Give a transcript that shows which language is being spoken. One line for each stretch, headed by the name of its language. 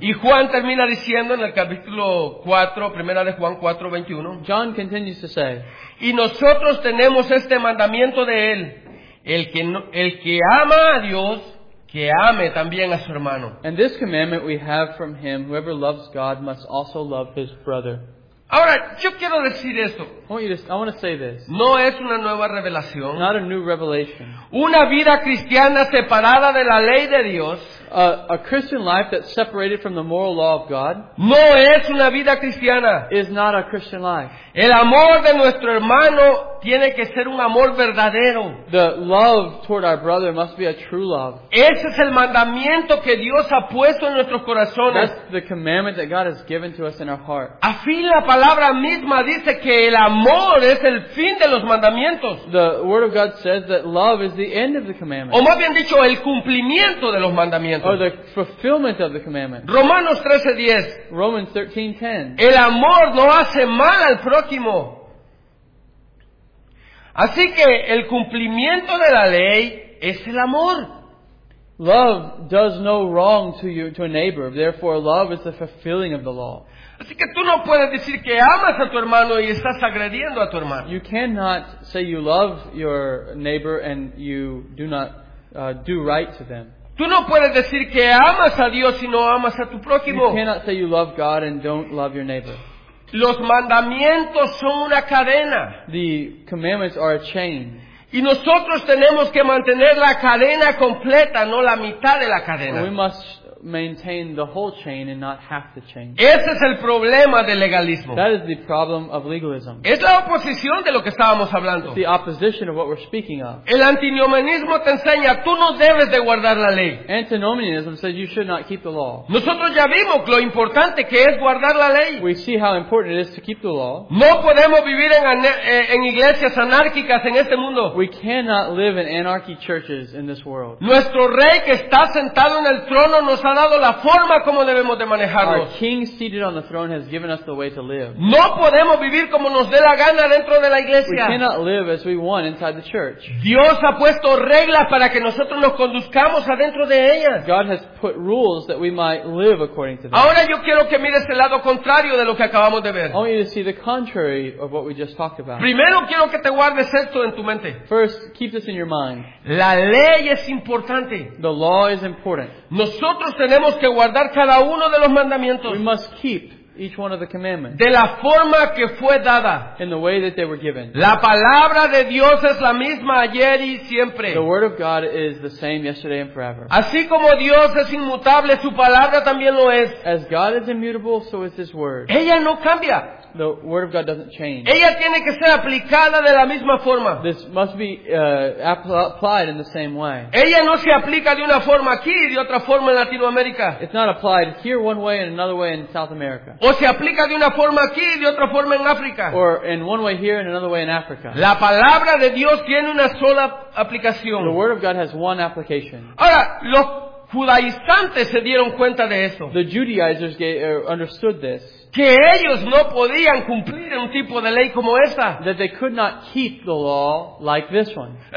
Spanish: Y Juan termina diciendo en el capítulo 4, primera de Juan 4, 21.
English: John continues to say.
Spanish: Y nosotros tenemos este mandamiento de él. El que ama a Dios, que ame también a su hermano.
English: And this commandment we have from him, whoever loves God must also love his brother.
Spanish: Ahora, yo quiero decir esto.
English: I want to say this.
Spanish: No es una nueva revelación.
English: Not a new revelation.
Spanish: Una vida cristiana separada de la ley de Dios.
English: A Christian life that's separated from the moral law of God.
Spanish: No es una vida cristiana.
English: Is not a Christian life.
Spanish: El amor de nuestro hermano tiene que ser un amor verdadero.
English: The love toward our brother must be a true love.
Spanish: Ese es el mandamiento que Dios ha puesto en nuestros corazones.
English: That's the commandment that God has given to us in our heart.
Spanish: Así la palabra misma dice que el amor es el fin de los mandamientos.
English: The word of God says that love is the end of the commandment.
Spanish: O más bien dicho, el cumplimiento de los mandamientos.
English: Or the fulfillment of the commandment.
Spanish: Romanos 13:10.
English: Romans 13:10.
Spanish: El amor no hace mal al prójimo. Así que el cumplimiento de la ley es el amor.
English: Love does no wrong to a neighbor. Therefore, love is the fulfilling of the law.
Spanish: Así que tú no puedes decir que amas a tu hermano y estás agrediendo a tu hermano.
English: You cannot say you love your neighbor and you do not do right to them.
Spanish: Tú no puedes decir que amas a Dios y no amas a tu prójimo.
English: You cannot say you love God and don't love your neighbor.
Spanish: Los mandamientos son una cadena.
English: The commandments are a chain.
Spanish: Y nosotros tenemos que mantener la cadena completa, no la mitad de la cadena.
English: We must maintain the whole chain and not half the chain.
Spanish: Ese es el problema del legalismo.
English: That is the problem of legalism.
Spanish: Es la oposición de lo que estábamos hablando.
English: It's the opposition of what we're speaking of.
Spanish: El antinomianismo te enseña tú no debes de guardar la ley.
English: Antinomianism says you should not keep the law.
Spanish: Nosotros ya vimos lo importante que es guardar la ley.
English: We see how important it is to keep the law.
Spanish: No podemos vivir en iglesias anárquicas en este mundo.
English: We cannot live in anarchy churches in this world.
Spanish: Nuestro rey que está sentado en el trono nos ha dado la forma como debemos de manejarlo.
English: Our king seated on the throne has given us the way to live.
Spanish: No podemos vivir como nos dé la gana dentro de la iglesia.
English: We cannot live as we want inside the church.
Spanish: Dios ha puesto reglas para que nosotros nos conduzcamos adentro de ellas.
English: God has put rules that we might live according to them.
Spanish: Ahora yo quiero que mires el lado contrario de lo que acabamos de ver.
English: I want you to see the contrary of what we just talked about.
Spanish: Primero quiero que te guardes esto en tu mente.
English: First, keep this in your mind.
Spanish: La ley es importante.
English: The law is important.
Spanish: Nosotros tenemos que guardar cada uno de los mandamientos.
English: We must keep each one of the commandments.
Spanish: De la forma que fue dada.
English: In the way that they were given.
Spanish: La palabra de Dios es la misma ayer y siempre.
English: The word of God is the same yesterday and forever.
Spanish: Así como Dios es inmutable, su palabra también lo es.
English: As God is immutable, so is his word.
Spanish: Ella no cambia.
English: The word of God doesn't change.
Spanish: Ella tiene que ser aplicada de la misma forma.
English: This must be applied in the same way.
Spanish: Ella no se aplica de una forma aquí y de otra forma en Latinoamérica.
English: It's not applied here one way and another way in South America.
Spanish: O se aplica de una forma aquí y de otra forma en África.
English: Or in one way here and another way in Africa.
Spanish: La palabra de Dios tiene una sola aplicación.
English: The word of God has one application.
Spanish: Ahora, los judaizantes se dieron cuenta de eso.
English: The Judaizers understood this.
Spanish: Que ellos no podían cumplir un tipo de ley como esta.
English: That they could not keep the law like this one.